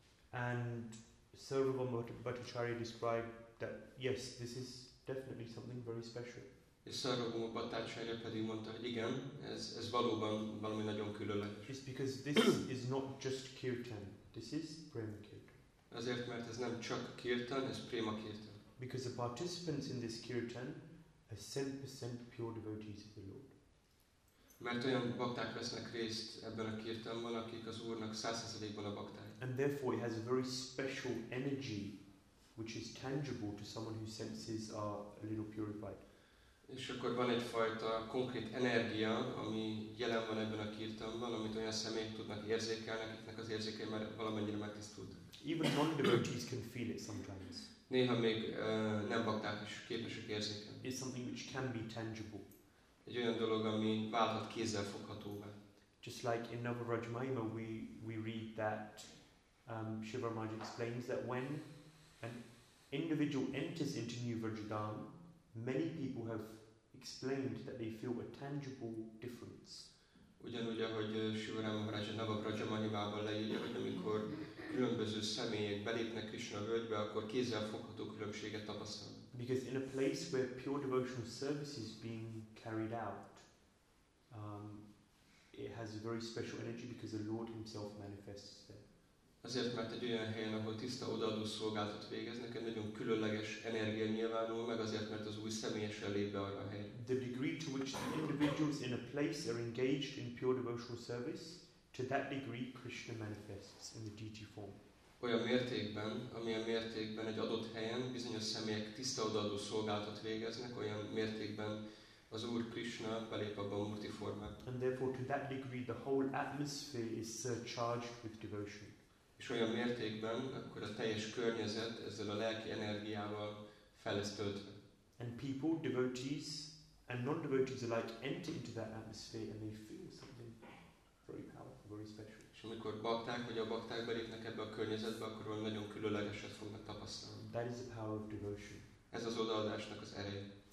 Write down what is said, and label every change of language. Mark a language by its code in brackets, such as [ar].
[en] And Sarvabhauma Bhattacharya described that yes, this is definitely something very special. [hu] És Sarvabhauma Bhattacharya pedig mondta, hogy igen, ez valóban valami nagyon különleges. [en] It's because this is not just kirtan. This is prema kirtan. [hu] Azért, mert ez nem csak kirtan, ez prema kirtan. [en] Because the participants in this kirtan are 100% pure devotees of the Lord. [hu] Mert olyan bakták vesznek részt ebben a kirtanban, akik az Úrnak 100%-ban a bakták. [en] And therefore it has a very special energy which is tangible to someone whose senses are a little purified. [hu] És akkor van egyfajta konkrét energia, ami jelen van ebben a kirtanban, amit olyan személyek tudnak érzékelni, akiknek az érzékei már valamennyire megtisztultak. [en] Even non-devotees can feel it sometimes. [hu] Néha még nem bakták is képesek érzékelni. [en] It's something which can be tangible. [hu] Egy olyan dolog, ami válhat kézzel foghatóvá. [en] Just like in Navaraj Mahima, we read that Shiva Maharaj explains that when an individual enters into New Vrajadham, many people have explained that they feel a tangible difference. [hu] Ugyanúgy, ahogy Sivaram Maharaj a Navaraja Mahimában leírja, hogy amikor különböző személyek belépnek Krishna völgybe, akkor kézzel fogható különbséget tapasztalnak. [en] Because in a place where pure devotional service is being carried out, it has a very special energy because the Lord himself manifests there. [hu] Azért, mert egy olyan helyen, ahol tiszta odaadó szolgálatot végeznek, egy nagyon különleges energia nyilvánul, meg azért, mert az Úr személyesen lép be arra a helyre. [en] The degree to which the individuals in a place are engaged in pure devotional service, to that degree Krishna manifests in the deity form. [hu] Olyan mértékben, amilyen mértékben egy adott helyen bizonyos személyek tiszta odaadó szolgálatot végeznek, olyan mértékben az Úr Krishna belép abba a murti formát. [en] And therefore to that degree the whole atmosphere is surcharged with devotion. [hu] És olyan mértékben, akkor a teljes környezet ezzel a lelki energiával fel lesz töltve. [en] And people, devotees and non-devotees alike enter into that atmosphere and they feel something very powerful, very special. [hu] És amikor bakták vagy a bakták belépnek ebbe a környezetbe, akkor olyan nagyon különlegeset fognak tapasztalni. [en] That is the power of devotion. [hu] Ez az odaadásnak az ereje.